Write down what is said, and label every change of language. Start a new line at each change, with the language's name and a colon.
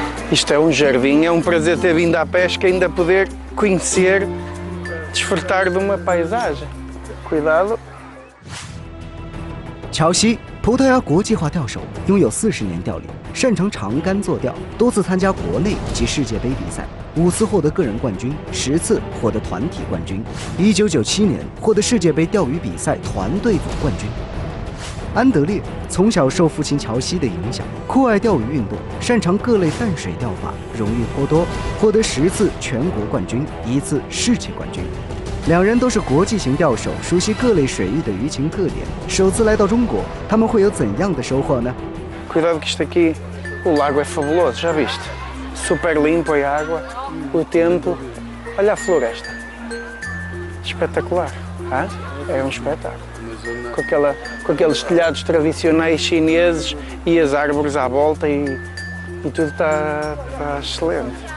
Portuguese: Isto é jardim, é prazer ter vindo à pesca e ainda poder conhecer, desfrutar de uma paisagem. Cuidado.
Chinese: 乔西，葡萄牙国际化钓手，拥有40年钓龄，擅长长杆坐钓，多次参加国内及世界杯比赛，5次获得个人冠军，10次获得团体冠军。 1997年获得世界杯钓鱼比赛团队组冠军。安德烈从小受父亲乔西的影响，酷爱钓鱼运动，擅长各类淡水钓法，荣誉颇多，获得10次全国冠军，1次世界冠军。两人都是国际型钓手，熟悉各类水域的鱼情特点。首次来到中国，他们会有怎样的收获呢？
Portuguese: Cuidado que isto aqui, o lago é fabuloso, já viste? Super limpo a água, o tempo, olha a floresta. Espetacular, é um espetáculo. Com aqueles telhados tradicionais chineses e as árvores à volta e tudo está excelente.